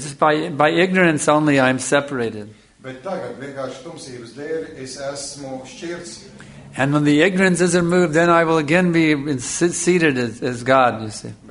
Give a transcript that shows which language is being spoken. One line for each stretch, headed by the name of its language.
English: Just by ignorance only I am separated.
Latvian: Bet tagad, vienkārši tumsības dēļ, es esmu šķirts.
English: And when the ignorance is removed, then I will again be seated as God, you see.